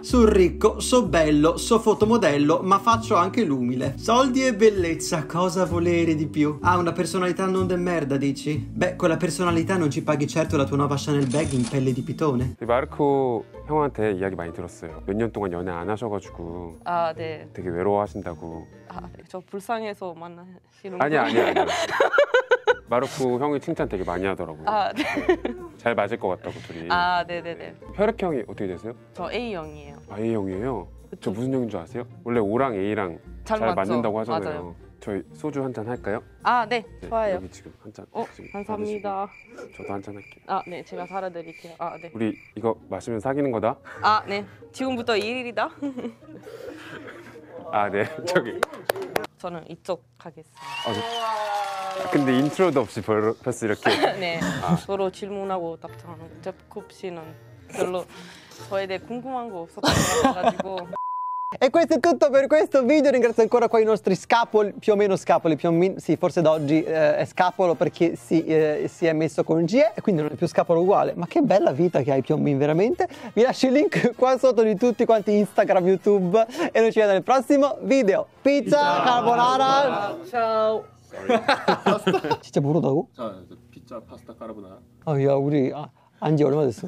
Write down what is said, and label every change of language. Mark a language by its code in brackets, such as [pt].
[it] Sono ricco, so bello, so fotomodello, ma faccio anche l'umile. Soldi e bellezza, cosa volere di più? Ah, una personalità non de merda, dici? Beh, con la personalità non ci paghi certo la tua nuova Chanel bag in pelle di pitone. [ko] Marco, 형한테 이야기 많이 들었어요. 몇 년 동안 연애 안 하셔가지고. 아, 네. 되게 외로워하신다고. 아, 저 불쌍해서 만나시는. 아니야, 아니야. 마르코 형이 칭찬 되게 많이 하더라고요. 아, 네. 잘 맞을 것 같다고 둘이. 아, 네네네. 혈액형이 어떻게 되세요? 저 A형이에요. 아, A형이에요? 그쵸? 저 무슨 형인 줄 아세요? 원래 O랑 A랑 잘 맞는다고 하잖아요. 맞아요. 저희 소주 한잔 할까요? 아, 네. 네, 좋아요. 여기 지금 한잔. 어, 감사합니다. 저도 한잔 할게요. 아, 네. 제가 사다 드릴게요. 아, 네. 우리 이거 마시면 사귀는 거다? 아, 네. 지금부터 1일이다. 아, 네. 저기. 저는 이쪽 가겠습니다. 아, 근데 인트로도 없이 벌써 이렇게 네 아. 서로 질문하고 답장하는 제프콥 씨는 별로 저에 대해 궁금한 거 없었다고 해가지고 [it] E questo è tutto per questo video, ringrazio ancora qua i nostri scapoli, più o meno scapoli, più o meno, sì, forse da oggi è scapolo perché si è messo con GE e quindi non è più scapolo uguale, ma che bella vita che hai più o meno veramente. Vi lascio il link qua sotto di tutti quanti Instagram, YouTube e noi ci vediamo nel prossimo video. Pizza, pizza carbonara! Pizza. Ciao! [ko] Sorry. 진짜 모르다고? 자, 피자, 파스타, 카르보나라. 아, 야, 우리 안 지 얼마 됐어?